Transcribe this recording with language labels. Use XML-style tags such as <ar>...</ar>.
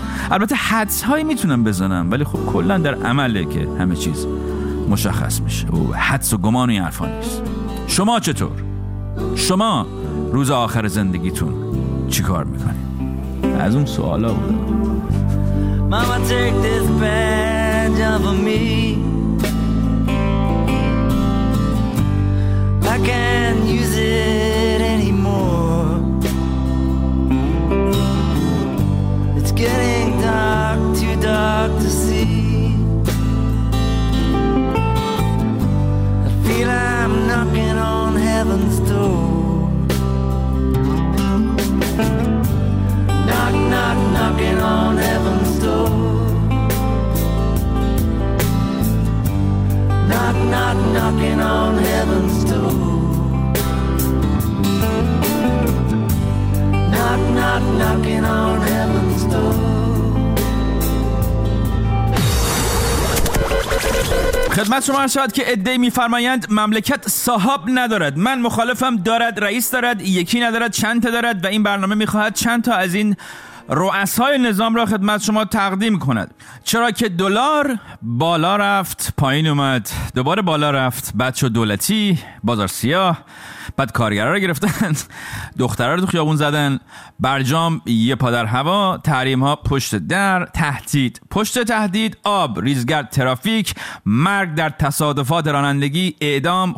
<fa>البته حدس هایی میتونم بزنم، ولی خب کلا در عمله که همه چیز مشخص میشه و حدس و گمان و این حرفا نیست. شما چطور؟ شما روز آخر زندگیتون چی کار میکنید؟ از اون سوالا بودم.</fa> <en>Mama take this bad job of me. I can't use it anymore. It's getting dark, too dark to see. I feel I'm knocking on heaven's door. Knock, knock, knocking on heaven's door. Knock, knock, knocking on heaven's door. Knock, knock, knocking on heaven's door.</en> <fa>خدمت شما عرض شد که عده‌ای می‌فرمایند مملکت صاحب ندارد. من مخالفم، دارد، رئیس دارد، یکی ندارد، چند تا دارد و این برنامه می‌خواهد چند تا از این رؤسای نظام را خدمت شما تقدیم کند. چرا که دلار بالا رفت، پایین اومد، دوباره بالا رفت، بعد شد دولتی، بازار سیاه، بعد کارگرها را گرفتن، دخترها را تو خیابون زدن، برجام یه پادر هوا، تحریم‌ها پشت در، تهدید پشت تهدید، آب ریزگرد ترافیک، مرگ در تصادفات رانندگی، اعدام.</fa>